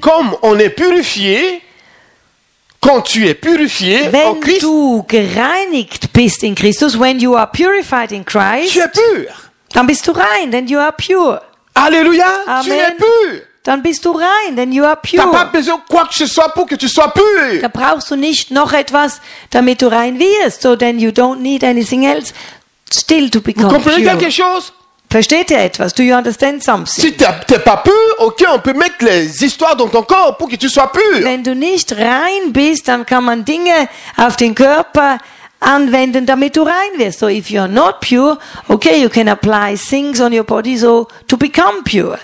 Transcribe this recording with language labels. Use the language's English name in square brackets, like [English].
[French] Comme on est purifié, quand tu es purifié [German] wenn [French] en Christ, [German] du gereinigt bist in Christus, [English] when you are purified in Christ, [French] tu es pur. [German] Dann bist du rein, [English] then you are pure. [French] Alléluia, Amen. Tu es pur. [German] Dann bist du rein, [English] then you are pure. [French] T'as pas besoin quoi que ce soit pour que tu sois pur. [German] Da brauchst du nicht noch etwas, damit du rein wirst. [English] So then you don't need anything else still to become pure. [French] Vous comprenez quelque chose? [German] Versteht ihr etwas? [English] Do you understand something? [French] Si t'es pas pur, ok, on peut mettre les histoires dans ton corps pour que tu sois pur. [German] Wenn du nicht rein bist, dann kann man Dinge auf den Körper anwenden, damit du rein wirst. [English] So if you're not pure, okay, you can apply things on your body so to become pure.